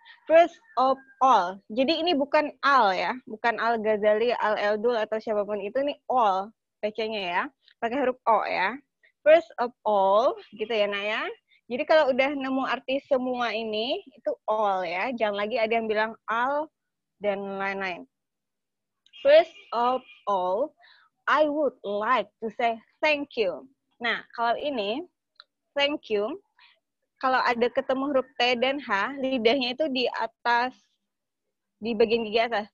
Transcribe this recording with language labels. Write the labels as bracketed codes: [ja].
[en] First of all. [id] Jadi ini bukan al ya, bukan Al Ghazali, Al Eldul atau siapapun itu, ini all bacanya ya. Pakai huruf O ya. [en] First of all, [id] gitu ya, Naya. Jadi kalau udah nemu arti semua ini, itu all ya. Jangan lagi ada yang bilang all dan lain-lain. [en] First of all, I would like to say thank you. [id] Nah, kalau ini, thank you. Kalau ada ketemu huruf T dan H, lidahnya itu di atas, di bagian gigi atas.